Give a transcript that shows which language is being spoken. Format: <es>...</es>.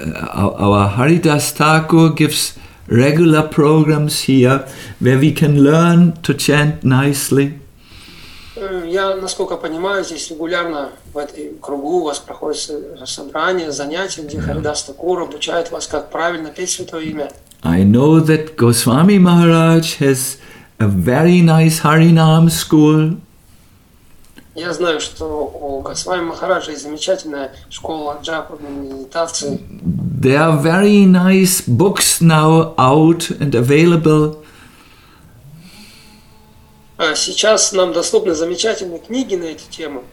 <en>our Haridas Thakur gives regular programs here where we can learn to chant nicely.</en> <ru>Я, насколько понимаю, здесь регулярно в этой кругу у вас проходит собрание, занятия, где Харидас Такур обучает вас, как правильно петь святое имя.</ru> <en>I know that Goswami Maharaj has a very nice Harinam school.</en> <ru>Я знаю, что у Госвами Махараджа есть замечательная школа джапы, медитации.</ru> <en>There are very nice books now out and available.</en> <ru>Сейчас нам доступны замечательные книги на эти темы.</ru>